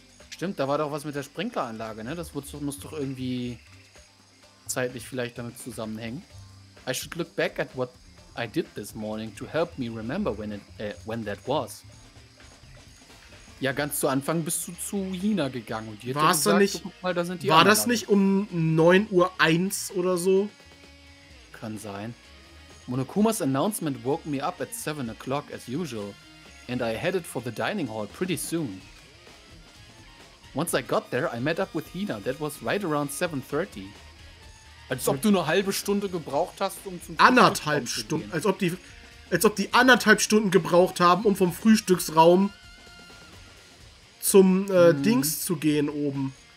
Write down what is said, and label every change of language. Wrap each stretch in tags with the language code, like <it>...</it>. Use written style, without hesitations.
<de>Stimmt, da war doch was mit der Sprinkleranlage, ne? Das muss doch irgendwie zeitlich vielleicht damit zusammenhängen.</de> <en>I should look back at what I did this morning to help me remember when that was.</en> <de>Ja, ganz zu Anfang bist du zu Hina gegangen und die hat gesagt, nicht, guck mal, da sind die War das nicht um 9.01 Uhr oder so? Kann sein.</de> <en>Monokumas announcement woke me up at 7 o'clock as usual and I headed for the dining hall pretty soon. Once I got there, I met up with Hina. That was right around 7:30.</en> <de>Als ob du eine halbe Stunde gebraucht hast, um zum anderthalb Stunden, als ob die anderthalb Stunden gebraucht haben, um vom Frühstücksraum zum Dings zu gehen oben.</de>